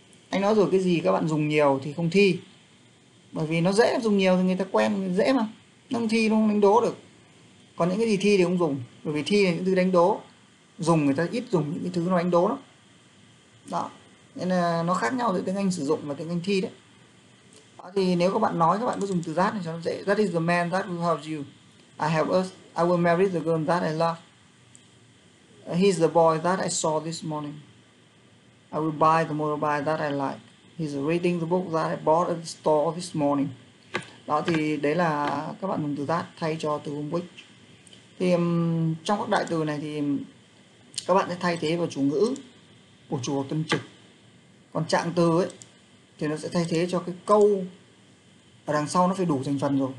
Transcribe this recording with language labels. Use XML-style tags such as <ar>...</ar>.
<vi>Anh nói rồi, cái gì các bạn dùng nhiều thì không thi, bởi vì nó dễ, dùng nhiều thì người ta quen, dễ mà. Nó không thi, nó không đánh đố được. Còn những cái gì thi thì không dùng, bởi vì thi là những thứ đánh đố. Dùng người ta ít dùng những cái thứ nó đánh đố lắm. Đó. Nên là nó khác nhau giữa tiếng Anh sử dụng và tiếng Anh thi đấy. Đó, thì nếu các bạn nói, các bạn cứ dùng từ that này cho nó dễ.</vi> <en>That is the man that will help you. I help us. I will marry the girl that I love. He's the boy that I saw this morning. I will buy the motorbike that I like. He's reading the book that I bought at the store this morning.</en> <vi>Đó, thì đấy là các bạn dùng từ that thay cho từ which. Thì trong các đại từ này thì các bạn sẽ thay thế vào chủ ngữ của chủ tâm trực. Còn trạng từ ấy thì nó sẽ thay thế cho cái câu ở đằng sau, nó phải đủ thành phần rồi.</vi>